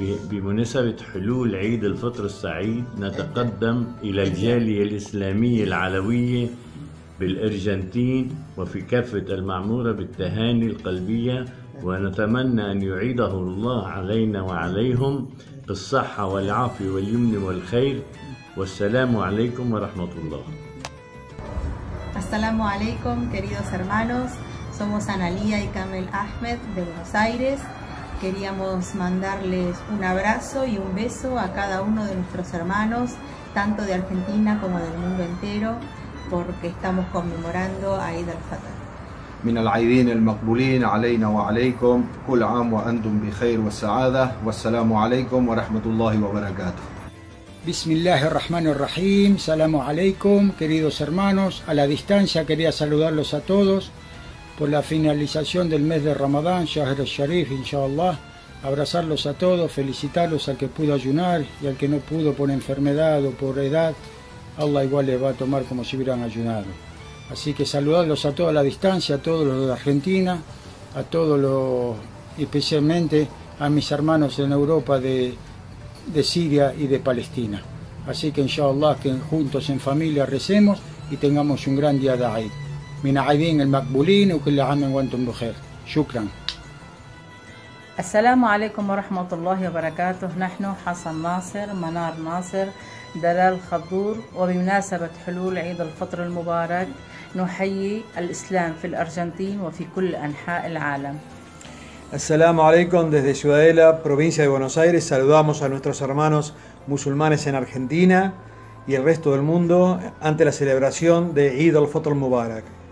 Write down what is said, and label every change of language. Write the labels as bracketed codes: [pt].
[ar] بمناسبة حلول عيد الفطر السعيد نتقدم إلى الجالية الإسلامية العلوية بالأرجنتين وفي كافة المعمورة بالتهاني القلبية ونتمنى أن يعيده الله علينا وعليهم بالصحة والعافية واليمن والخير والسلام عليكم ورحمة الله. السلام عليكم [es] queridos hermanos, somos Analia y Kamel Ahmed de Buenos Aires. Queríamos mandarles un abrazo y un beso a cada uno de nuestros hermanos, tanto de Argentina como del mundo entero, porque estamos conmemorando a Eid al-Fitr. [ar] من العيدين المقبولين علينا وعليكم كل عام وأنتم بخير والسعادة والسلام عليكم ورحمة الله وبركاته. بسم الله الرحمن الرحيم سلام عليكم [es] queridos hermanos a la distancia quería saludarlos a todos. Por la finalización del mes de Ramadán, Shahr al-Sharif, inshallah, abrazarlos a todos, felicitarlos al que pudo ayunar y al que no pudo por enfermedad o por edad, Allah igual les va a tomar como si hubieran ayunado. Así que saludarlos a toda la distancia, a todos los de Argentina, a todos los, especialmente a mis hermanos en Europa de Siria y de Palestina. Así que inshallah, que juntos en familia recemos y tengamos un gran día de Eid. [ar] من عايدين المقبولين وكل عام وانتم بخير شكرا السلام عليكم ورحمة الله وبركاته نحن حسن ناصر منار ناصر دلال خضور وبمناسبة حلول عيد الفطر المبارك نحيي الإسلام في الأرجنتين وفي كل أنحاء العالم السلام عليكم [es] desde Ciudadela, provincia de Buenos Aires. Saludamos a nuestros hermanos musulmanes en Argentina y el resto del mundo ante la celebración de Eid al-Fitr al-Mubarak.